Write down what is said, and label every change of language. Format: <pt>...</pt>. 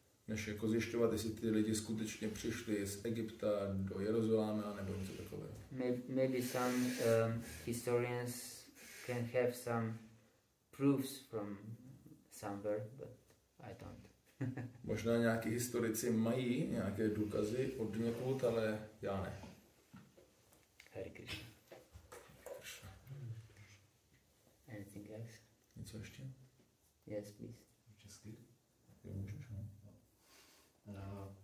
<cs>Než jako zjišťovat, jestli ty lidi skutečně přišli z Egypta do Jeruzaléma nebo něco takového.</cs> <en>Maybe some historians can have some proofs from somewhere, but I don't.</en> <cs>Možná nějaký historici mají nějaké důkazy od někud, ale já ne.</cs> <en>Hare Krishna. Krishna. Anything else?</en> <cs>Něco ještě?</cs> <en>Yes, please.</en> <cs>Česky? Jo, můžeš, no.</cs>